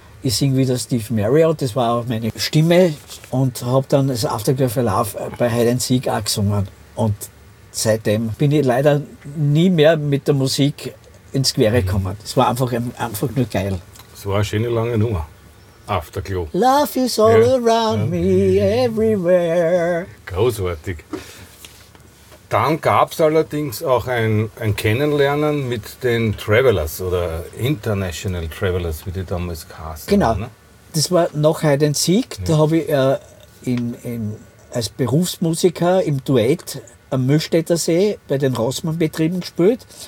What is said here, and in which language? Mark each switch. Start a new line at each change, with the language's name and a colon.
German: Ich singe wieder Steve Marriott, das war auch meine Stimme. Und habe dann das Afterglow of Your Love bei Hide and Seek auch gesungen. Und seitdem bin ich leider nie mehr mit der Musik ins Quere gekommen. Es war einfach nur geil. Es war eine schöne lange Nummer.
English: Afterglow. Love is all around me, everywhere.
German: Großartig. Dann gab es allerdings auch ein Kennenlernen mit den Travelers oder International Travelers, wie die damals hießen. Genau, ne? Das war nach Hide and Seek. Ja. Da habe ich als Berufsmusiker im Duett am Müllstättersee bei den Rossmann-Betrieben gespielt.